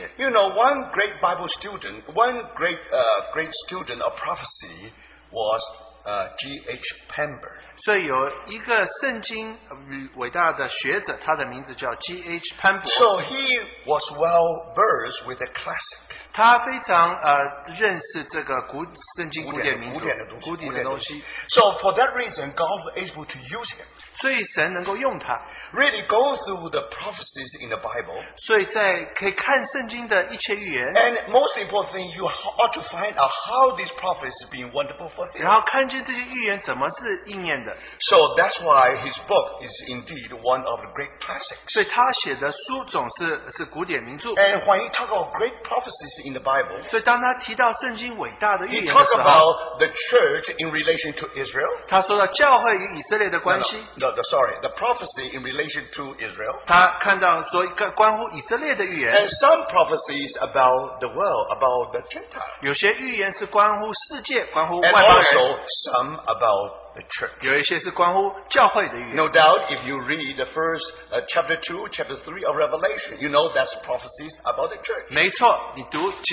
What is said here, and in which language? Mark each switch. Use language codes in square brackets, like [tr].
[en] you know, one great Bible student, one great, great student of prophecy, was G.H. Pember. [zh] 所以有一个圣经伟大的学者, 他的名字叫 G.H. Pember. [en] So he was well versed with the classic. [zh] 他非常, 认识这个古圣经古典名著,古典的东西。 [en] So for that reason, God was able to use him. [zh] 所以神能够用他, [en] really go through the prophecies in the Bible. [zh] 所以在可以看圣经的一切预言, [en] and most important thing, you ought to find out how these prophecies have been wonderful fulfilled. [zh] 然后看见这些预言怎么是应验的。 [en] So that's why his book is indeed one of the great classics. [zh] 所以他写的书总是古典名著。 [en] And when he talks about great prophecies in the Bible, [zh] 所以当他提到圣经伟大的预言的时候, [en] he talks about the church in relation to Israel. [zh] 他说到教会与以色列的关系。 [en] The prophecy in relation to Israel. [zh] 他看到说关乎以色列的预言。 [en] And some prophecies about the world, about the Gentiles. [zh] 有些预言是关乎世界，关乎外邦人。 [en] And also some about the church. [zh] 有一些是关乎教会的预言。 [en] No doubt, if you read the first chapter 2, chapter 3 of Revelation, you know that's prophecies about the church.